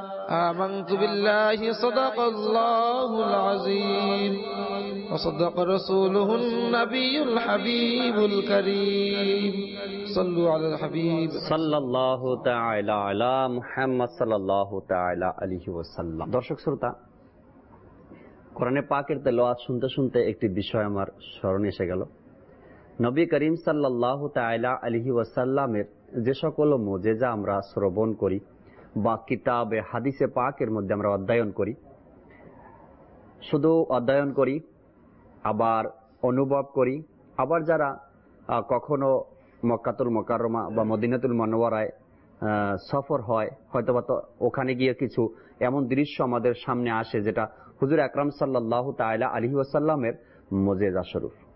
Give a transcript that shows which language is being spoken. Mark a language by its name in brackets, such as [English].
[Arabic] آمنت بالله صدق الله العظيم وصدق رسوله النبي الحبيب الكريم صلوا على الحبيب صلى الله تعالى على محمد صلى الله تعالى عليه وسلم [Bangla] درشك سرطة কোরআনে পাকের তেলাওয়াত শুনতে শুনতে একটি বিষয় আমার স্মরণে এসে গেল। নবী করিম সাল্লাল্লাহু তাআলা আলাইহি ওয়াসাল্লামের যে সকল মুজেজা আমরা শ্রবণ করি বা কিতাবে হাদিসে পাকের মধ্যে আমরা অধ্যয়ন করি, শুধু অধ্যয়ন করি, আবার অনুভব করি, আবার যারা কখনো মক্কাতুল মুকাররমা বা মদিনাতুল মুনাওয়ারায় সফর হয়তো বা ওখানে গিয়ে কিছু এমন দৃশ্য আমাদের সামনে আসে যেটা হুজুর আকরাম সাল্লাল্লাহু তাআলা আলাইহি ওয়াসাল্লামের মুজেজা স্বরূপ।